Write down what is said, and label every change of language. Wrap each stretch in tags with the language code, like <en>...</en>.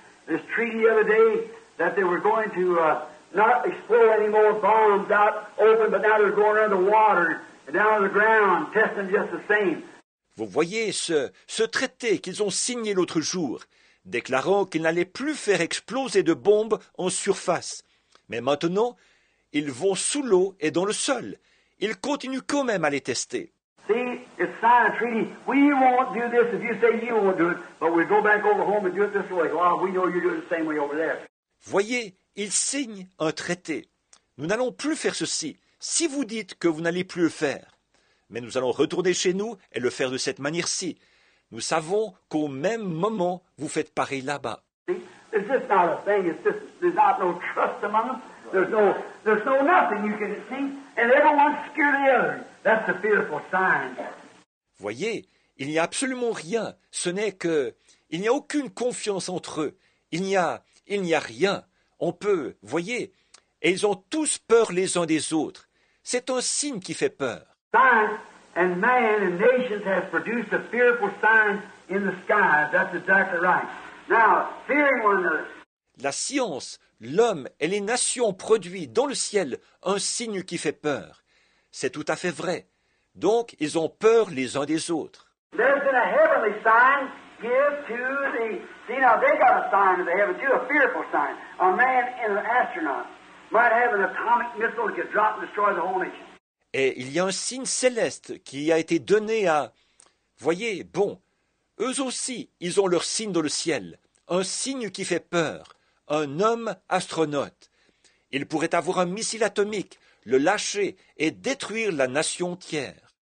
<en>this treaty the other day that they were going to not explode any more bombs out open, but now they're going under water and down on the ground, testing just the same.</en> <fr>Vous voyez ce traité qu'ils ont signé l'autre jour, déclarant qu'ils n'allaient plus faire exploser de bombes en surface. Mais maintenant, ils vont sous l'eau et dans le sol. Ils continuent quand même à les tester.</fr> <en>See, it's signed a treaty. We won't do this if you say you won't do it, but we'll go back over home and do it this way. Well, we know you're doing it the same way over there.</en> <fr>Voyez, ils signent un traité. Nous n'allons plus faire ceci si vous dites que vous n'allez plus le faire. Mais nous allons retourner chez nous et le faire de cette manière-ci. Nous savons qu'au même moment, vous faites pareil là-bas.</fr> <en>See, it's just not a thing. It's just, there's not no trust among them. There's no nothing you can see. And everyone's scared of the other. That's a fearful sign.</en> <fr>Voyez, il n'y a absolument rien. Ce n'est que, il n'y a aucune confiance entre eux. Il n'y a rien. On peut, voyez, et ils ont tous peur les uns des autres. C'est un signe qui fait peur.</fr> <en>Science and man and nations have produced a fearful sign in the sky. That's exactly right. Now, fearing one another.</en> <fr>La science, l'homme et les nations produisent dans le ciel un signe qui fait peur. C'est tout à fait vrai. Donc, ils ont peur les uns des autres.</fr> <en>There's been a heavenly sign given to the... See, now they got a sign in the heaven too, a fearful sign. A man and an astronaut might have an atomic missile that could drop and destroy the whole nation.</en> <fr>Et il y a un signe céleste qui a été donné à... Voyez, bon, eux aussi, ils ont leur signe dans le ciel. Un signe qui fait peur. Un homme astronaute. Il pourrait avoir un missile atomique, le lâcher et détruire la nation entière.</fr>